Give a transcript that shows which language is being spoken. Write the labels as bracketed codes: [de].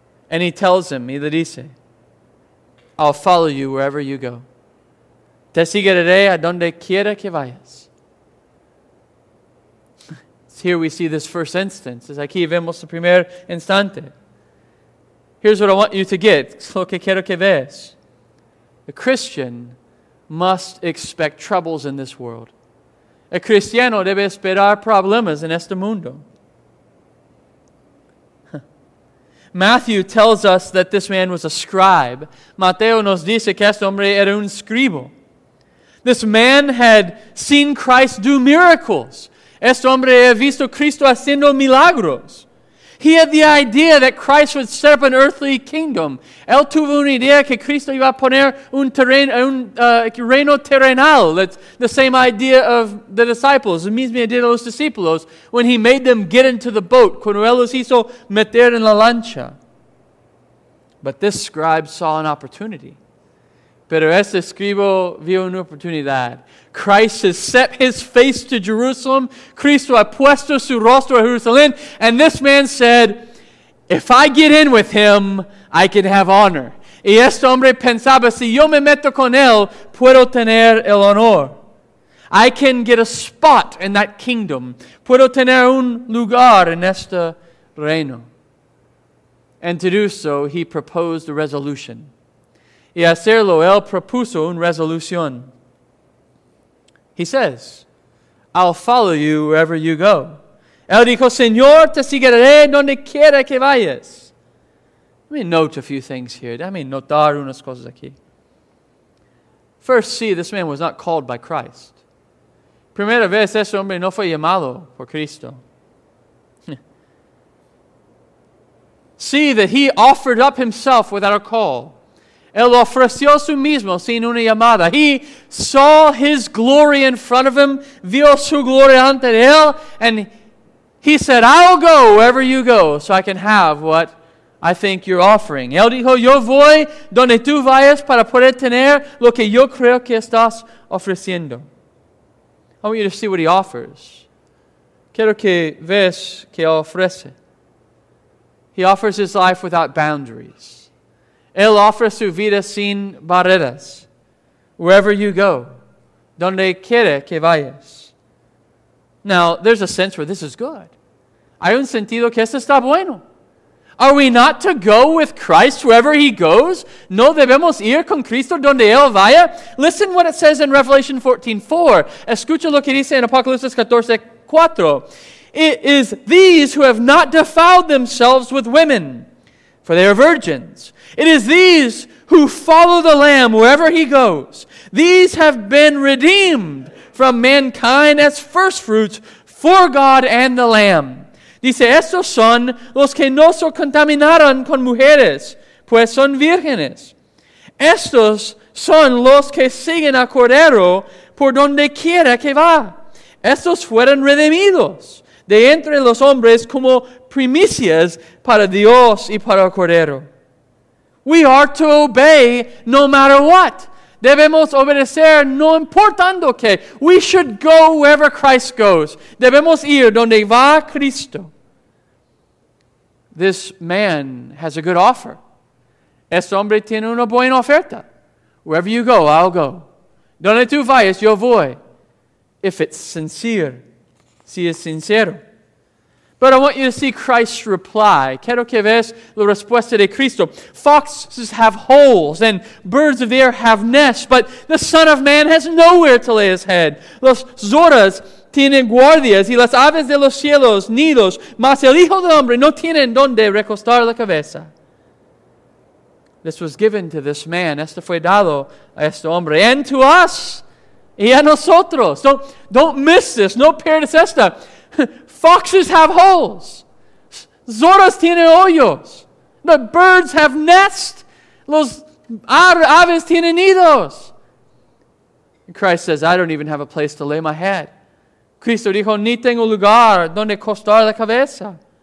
[en] And he tells him, [es] y le dice, [en] I'll follow you wherever you go. [es] Te seguiré a donde quiera que vayas. [en] It's here we see this first instance. [es] Es aquí vemos el primer instante. [en] Here's what I want you to get. [es] Es lo que quiero que veas. [en] A Christian must expect troubles in this world. [es] A cristiano debe esperar problemas en este mundo. [en] Matthew tells us that this man was a scribe. [es] Mateo nos dice que este hombre era un escribo. [en] This man had seen Christ do miracles. [es] Este hombre ha visto Cristo haciendo milagros. [en] He had the idea that Christ would set up an earthly kingdom. [es] Él tuvo una idea que Cristo iba a poner un reino terrenal. [en] That's the same idea of the disciples, [es] la misma idea de los discípulos, [en] when he made them get into the boat, [es] cuando él los hizo meter en la lancha. [en] But this scribe saw an opportunity. [es] Pero este escribo vio una oportunidad. [en] Christ has set his face to Jerusalem. [es] Cristo ha puesto su rostro a Jerusalén. [en] And this man said, if I get in with him, I can have honor. [es] Y este hombre pensaba, si yo me meto con él, puedo tener el honor. [en] I can get a spot in that kingdom. [es] Puedo tener un lugar en este reino. [en] And to do so, he proposed a resolution. [es] Y hacerlo, él propuso una resolución. [en] He says, I'll follow you wherever you go. [es] Él dijo, Señor, te seguiré donde quiera que vayas. [en] Let me note a few things here. Let me [es] notar unas cosas aquí. [en] First, see, this man was not called by Christ. [es] Primera vez, ese hombre no fue llamado por Cristo. [en] See that he offered up himself without a call. [es] Él ofreció su mismo sin una llamada. [en] He saw his glory in front of him, [es] vio su gloria ante él, [en] and he said, I'll go wherever you go so I can have what I think you're offering. [es] Él dijo, yo voy donde tú vayas para poder tener lo que yo creo que estás ofreciendo. [en] I want you to see what he offers. [es] Quiero que veas que ofrece. [en] He offers his life without boundaries. [es] Él ofrece su vida sin barreras. [en] Wherever you go, [es] donde quiera que vayas. [en] Now, there's a sense where this is good. [es] Hay un sentido que esto está bueno. [en] Are we not to go with Christ wherever he goes? [es] No debemos ir con Cristo donde él vaya? [en] Listen what it says in Revelation 14:4. [es] Escucha lo que dice en Apocalipsis 14:4. [en] It is these who have not defiled themselves with women, for they are virgins. It is these who follow the Lamb wherever he goes. These have been redeemed from mankind as first fruits for God and the Lamb. [es] Dice, estos son los que no se contaminaron con mujeres, pues son vírgenes. Estos son los que siguen a Cordero por donde quiera que va. Estos fueron redimidos de entre los hombres como primicias para Dios y para el Cordero. [en] We are to obey no matter what. [es] Debemos obedecer no importando qué. [en] We should go wherever Christ goes. [es] Debemos ir donde va Cristo. [en] This man has a good offer. [es] Este hombre tiene una buena oferta. [en] Wherever you go, I'll go. [es] Donde tú vayas, yo voy. [en] If it's sincere, [es] si es sincero. [en] But I want you to see Christ's reply. [es] Quiero que veas la respuesta de Cristo. [en] Foxes have holes and birds of the air have nests, but the Son of Man has nowhere to lay his head. [es] Los zorras tienen guardias y las aves de los cielos nidos, mas el Hijo del Hombre no tiene en donde recostar la cabeza. [en] This was given to this man. [es] Esto fue dado a este hombre. [en] And to us [es] y a nosotros. [en] Don't miss this. [es] No pierdas esta. [en] Foxes have holes. [es] Zorras tienen hoyos. [en] The birds have nests. [es] Los aves tienen nidos. [en] And Christ says, I don't even have a place to lay my head. [es] Cristo dijo, ni tengo lugar donde costar la cabeza.